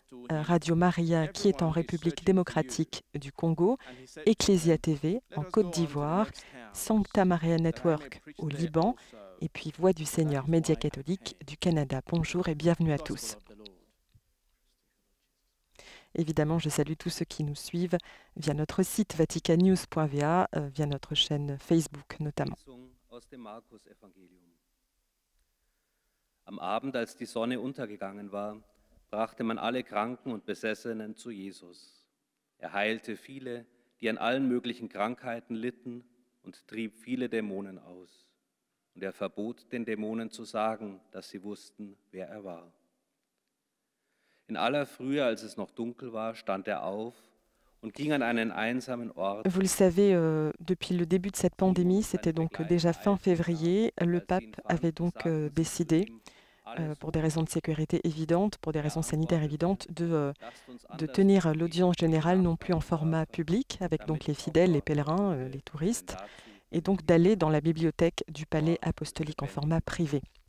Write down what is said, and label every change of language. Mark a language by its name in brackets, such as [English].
[French] Radio Maria qui est en République démocratique du Congo, Ecclesia TV en Côte d'Ivoire, Sancta Maria Network au Liban, et puis Voix du Seigneur, Média catholique du Canada. Bonjour et bienvenue à tous. Évidemment, je salue tous ceux qui nous suivent via notre site vaticannews.va, via notre chaîne Facebook notamment. [German] Aus dem Markus-Evangelium. Am Abend, als die Sonne untergegangen war, brachte man alle Kranken und Besessenen zu Jesus. Er heilte viele, die an allen möglichen Krankheiten litten, und trieb viele Dämonen aus. Und er verbot den Dämonen zu sagen, dass sie wussten, wer er war. In aller Frühe, als es noch dunkel war, stand er auf. [French] Vous le savez, depuis le début de cette pandémie, c'était donc déjà fin février, le pape avait donc décidé, pour des raisons de sécurité évidentes, pour des raisons sanitaires évidentes, de tenir l'audience générale non plus en format public, avec donc les fidèles, les pèlerins, les touristes, et donc d'aller dans la bibliothèque du palais apostolique en format privé.